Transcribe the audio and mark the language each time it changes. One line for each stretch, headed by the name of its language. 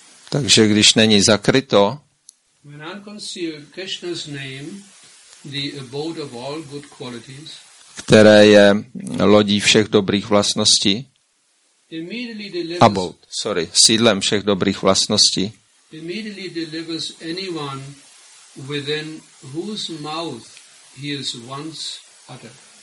Czech: takže když není zakryto,
English: when unconcealed, Krishna's name, the abode of all good qualities,
Czech: které je lodí všech dobrých vlastností,
English: immediately delivers, abode, sorry,
Czech: sídlem všech dobrých vlastností,
English: immediately delivers anyone within whose mouth he is once uttered.